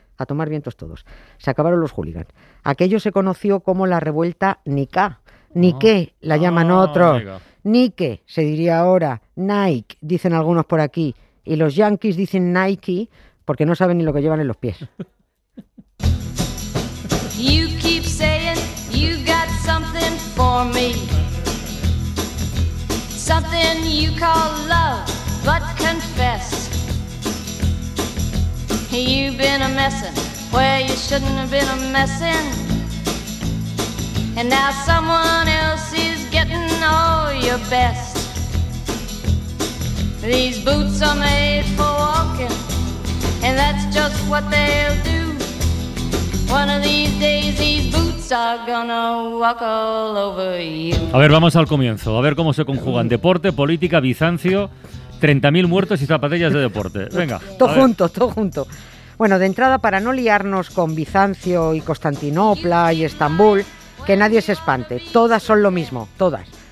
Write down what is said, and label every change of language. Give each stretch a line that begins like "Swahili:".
Spanish: A tomar vientos todos. Se acabaron los hooligans. Aquello se conoció como la revuelta Nika. Nike, la llaman otros. Nike, se diría ahora. Nike, dicen algunos por aquí. Y los yankees dicen Nike porque no saben ni lo que llevan en los pies.
English: You keep saying you got something for me. Something you call love, but confess. You've been a messin' where you shouldn't have been a messin'. And now someone else is getting all your best. These boots are made for walking, and that's just what they'll do. One of these days these boots are gonna walk all over you.
Spanish: A ver, vamos al comienzo, a ver cómo se conjugan deporte, política, Bizancio, 30.000 muertos y zapatillas de deporte. Venga. Todo junto. Bueno, de entrada, para no liarnos con Bizancio y Constantinopla y Estambul, que nadie se espante, todas son lo mismo, todas.